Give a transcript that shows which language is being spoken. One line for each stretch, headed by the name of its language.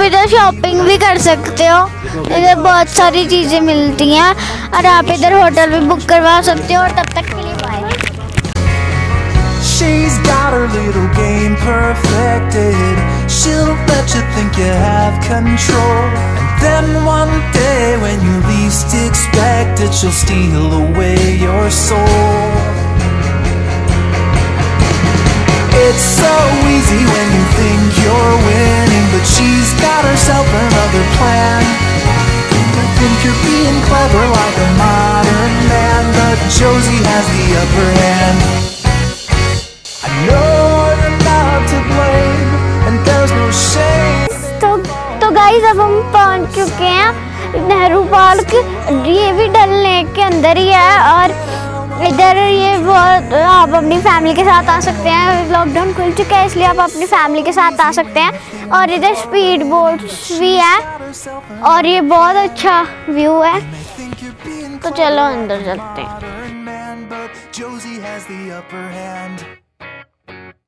Hindi: Shopping भी कर सकते हो, इधर बहुत सारी चीजें मिलती हैं, और आप इधर होटल भी बुक करवा सकते हो, और तब तक के लिए bye.
English: She's got her little game perfected. She'll let you think you have control. And then one day when you least expect it, she'll steal away your soul. It's so easy when you think you're winning, but she's got herself another plan. You think you're being clever like a modern man, but Josie has the upper hand. I know you're not to blame, and there's no shame. So guys, now we've arrived at Nehru Park. This is also Dal Lake inside, and
Hindi: इधर ये बहुत, आप अपनी family के साथ आ सकते हैं, lockdown खुल चुका है इसलिए आप अपनी फैमिली के साथ आ सकते हैं। और इधर स्पीड बोट्स भी है, और ये बहुत अच्छा व्यू है, तो चलो अंदर चलते हैं।